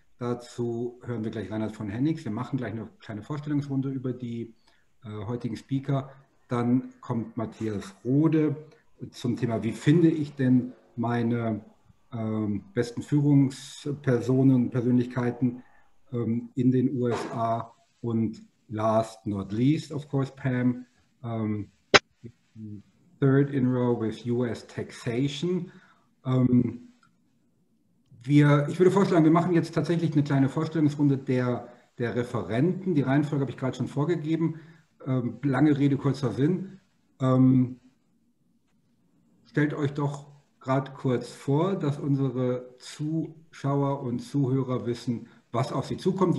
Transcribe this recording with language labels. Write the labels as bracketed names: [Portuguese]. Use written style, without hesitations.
[German] Dazu hören wir gleich Reinhard von Hennigs. Wir machen gleich eine kleine Vorstellungsrunde über die heutigen Speaker. Dann kommt Matthias Rode zum Thema, wie finde ich denn meine besten Führungspersonen, Persönlichkeiten in den USA. Und [English] last not least, of course, Pam, third in row with US Taxation. [German] Ich würde vorschlagen, wir machen jetzt tatsächlich eine kleine Vorstellungsrunde der Referenten. Die Reihenfolge habe ich gerade schon vorgegeben. Lange Rede, kurzer Sinn. Stellt euch doch gerade kurz vor, dass unsere Zuschauer und Zuhörer wissen, was auf sie zukommt.